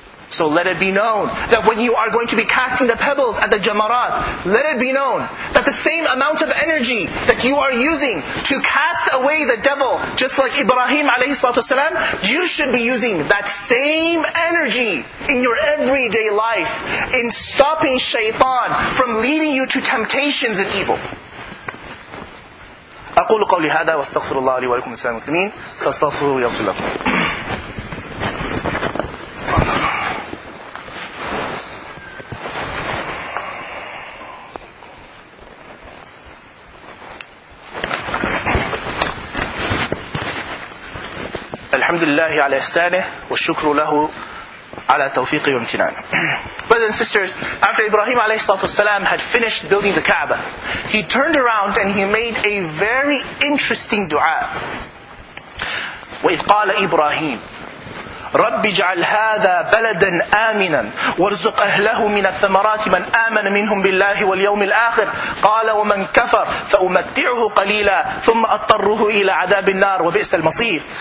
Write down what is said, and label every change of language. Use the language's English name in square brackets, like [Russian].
[English] So let it be known that when you are going to be casting the pebbles at the Jamarat, let it be known that the same amount of energy that you are using to cast away the devil, just like Ibrahim alayhi salatu wasalam, you should be using that same energy in your everyday life in stopping shaitan from leading you to temptations and evil. [Arabic] أقول قولي هذا واستغفر الله لي ولكم السلام المسلمين فاستغفروا ويغفر لكم. الحمد لله على إحسانه والشكر له على توفيقه وامتنانه. [English] Brothers and sisters, after Ibrahim alayhi salatu wasalam had finished building the Kaaba, he turned around and he made a very interesting dua. [Arabic] وَإِذْ قَالَ إِبْرَاهِيمُ رَبِّ اجْعَلْ هَذَا بَلَدًا آمِنًا وَارْزُقْ أَهْلَهُ مِنَ الثَّمَرَاتِ مَنْ آمَنَ مِنْهُمْ بِاللَّهِ وَالْيَوْمِ الْآخِرِ قَالَ وَمَنْ كَفَرَ فَأُمَتِّعُهُ قَلِيلًا ثُمَّ أَضْطَرُّهُ إِلَى عَذَابِ النَّارِ وَبِئْسَ الْمَصِيرُ.